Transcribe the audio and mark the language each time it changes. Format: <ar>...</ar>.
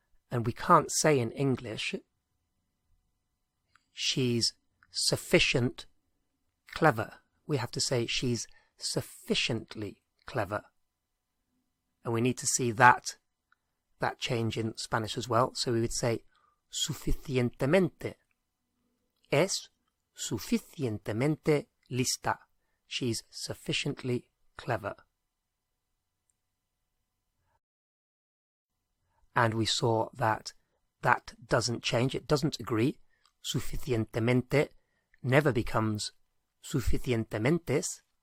<en>And we can't say in English, she's sufficient clever. We have to say she's sufficiently clever. And we need to see that change in Spanish as well. So we would say suficientemente.</en> <es>Es suficientemente lista.</es> <en>She's sufficiently clever. And we saw that doesn't change. It doesn't agree. Suficientemente never becomes suficientementes.</en>